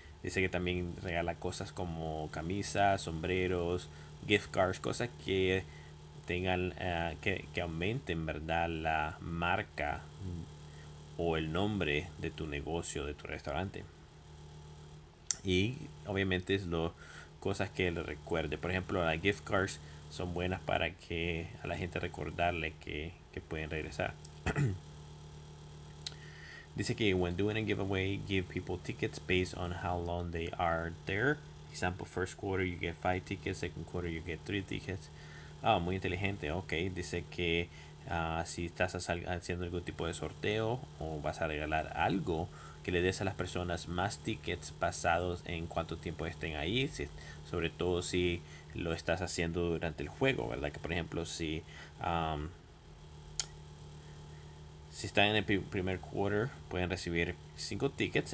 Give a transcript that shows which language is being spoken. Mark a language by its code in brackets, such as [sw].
[es] Dice que también regala cosas como camisas, sombreros, gift cards, cosas que tengan que aumenten, ¿verdad?, la marca o el nombre de tu negocio, de tu restaurante. Y obviamente es las cosas que le recuerde. Por ejemplo, las gift cards son buenas para que a la gente recordarle que pueden regresar. Dice que [en] when doing a giveaway, give people tickets based on how long they are there. Example, first quarter you get 5 tickets, second quarter you get 3 tickets. [es] Ah, muy inteligente. Ok, dice que si estás haciendo algún tipo de sorteo o vas a regalar algo, que le des a las personas más tickets basados en cuánto tiempo estén ahí, si, sobre todo si lo estás haciendo durante el juego, ¿verdad? Que por ejemplo, si están en el primer quarter, pueden recibir 5 tickets.